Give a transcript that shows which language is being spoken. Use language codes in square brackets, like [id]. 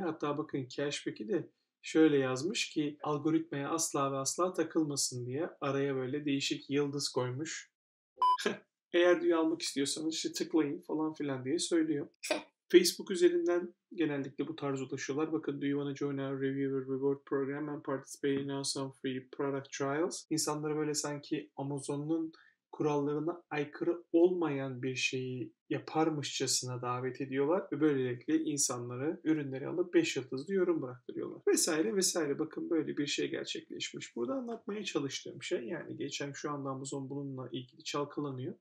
[tr] Hatta bakın cashback'i de şöyle yazmış ki algoritmaya asla ve asla takılmasın diye araya böyle değişik yıldız koymuş. Eğer diye almak istiyorsanız işte tıklayın falan filan diye söylüyor. Facebook üzerinden genellikle bu tarz ulaşıyorlar. Bakın, [en] do you want to join our reviewer reward program and participate in some free product trials? [tr] İnsanlara böyle sanki Amazon'un kurallarına aykırı olmayan bir şeyi yaparmışçasına davet ediyorlar ve böylelikle insanları ürünleri alıp 5 yıldızlı yorum bıraktırıyorlar. Vesaire vesaire, bakın böyle bir şey gerçekleşmiş. Burada anlatmaya çalıştığım şey, yani geçen şu anda Amazon bununla ilgili çalkalanıyor.